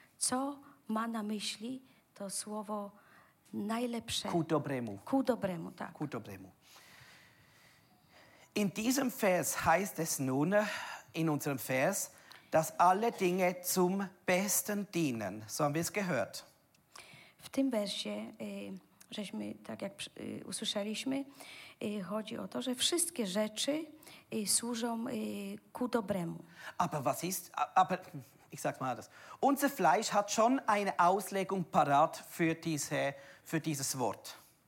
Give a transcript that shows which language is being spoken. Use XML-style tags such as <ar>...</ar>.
<pl>Co ma na myśli to słowo najlepsze? Ku dobremu. Ku dobremu, tak. Ku dobremu.</pl> <de>In diesem Vers heißt es nun, in unserem Vers, dass alle Dinge zum Besten dienen. So haben wir es gehört.</de> <pl>W tym wersie, żeśmy tak jak usłyszeliśmy, chodzi o to, że wszystkie rzeczy służą ku dobremu.</pl> <de>Aber was ist, aber ich sag mal das. Unser Fleisch hat schon eine Auslegung parat für diese, für dieses Wort.</de>